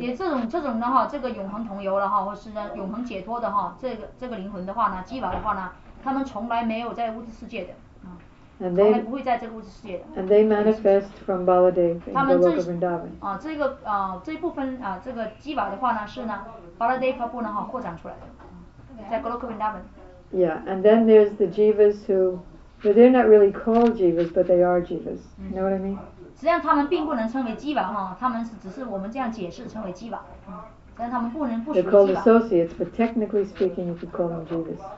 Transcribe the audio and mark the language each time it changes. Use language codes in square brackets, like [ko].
[zh] 也这种的哈，这个永恒同游了哈，或是呢永恒解脱的哈，这个灵魂的话呢，基瓦的话呢，他们从来没有在物质世界的，啊，从来不会在这个物质世界的。 [en] And they manifest from Baladev in the Goloka Vrindavan. [zh] 啊，这个啊这部分啊这个基瓦的话呢是呢 Baladev Prabhu 呢哈扩展出来的，在 Goloka Vrindavan. [en] Yeah, and then there's the jivas who, but they're not really called jivas, but they are jivas. You know what I mean? [zh] 实际上他们并不能称为基瓦哈，他们只是我们这样解释称为基瓦，嗯，实际上他们不属于基瓦。 [en] They're called associates, but technically speaking, you could call them jivas.